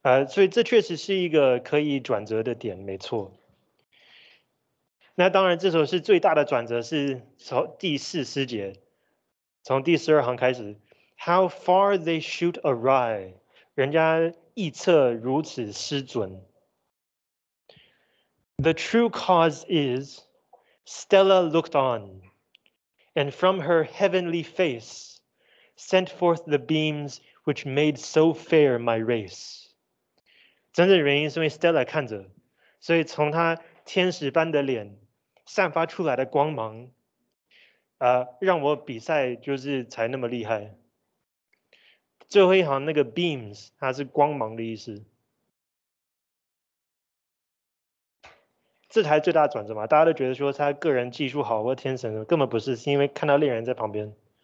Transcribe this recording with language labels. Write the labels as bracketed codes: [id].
[zh] 所以这确实是一个可以转折的点，没错。那当然，这首诗最大的转折是从第四诗节，从第12行开始， [en] How far they shoot awry， [zh] 人家臆测如此失准。 [en] The true cause is Stella looked on, and from her heavenly face sent forth the beams which made so fair my race。 [zh] 真正的原因是因为 Stella 看着，所以从她天使般的脸。散发出来的光芒，让我比赛就是才那么厉害。最后一行那个 beams，它是光芒的意思，这才最大转折嘛。大家都觉得说他个人技术好或天神，根本不是，是因为看到恋人在旁边。